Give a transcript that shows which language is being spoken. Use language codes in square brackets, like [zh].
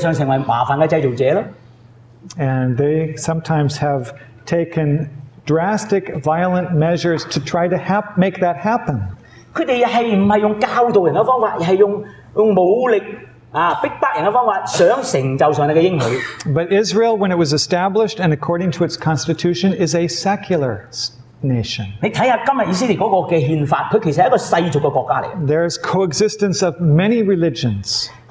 [zh] 是啊,他很想成为圣洁国度,但是事实上成为麻烦的制造者。 [en] And they sometimes have taken drastic, violent measures to try to make that happen. [zh] 他们是不是用教导人的方法,而是用武力,逼迫人的方法,想成就上帝的应许。 [en] But Israel, when it was established and according to its constitution, is a secular nation. There is coexistence of many religions.